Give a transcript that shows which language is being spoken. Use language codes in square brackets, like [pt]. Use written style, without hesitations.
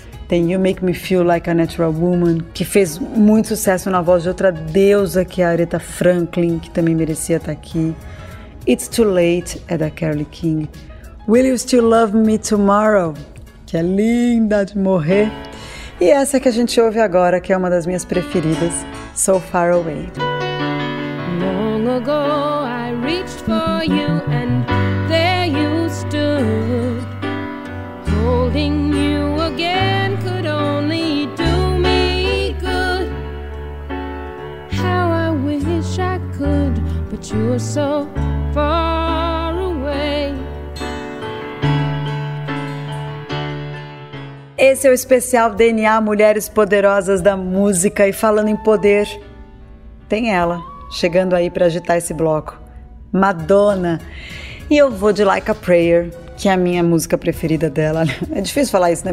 [pt] Tem You Make Me Feel Like a Natural Woman, que fez muito sucesso na voz de outra deusa, que é a Aretha Franklin, que também merecia estar aqui. It's Too Late é da Carole King. Will You Still Love Me Tomorrow, que é linda de morrer. E essa que a gente ouve agora, que é uma das minhas preferidas, So Far Away. [en] Long ago I reached for you and there you stood. Holding you again could only do me good. How I wish I could, but you are so far away. [pt] Esse é o especial DNA Mulheres Poderosas da Música, e falando em poder, tem ela chegando aí para agitar esse bloco, Madonna. E eu vou de Like a Prayer, que é a minha música preferida dela. É difícil falar isso, né?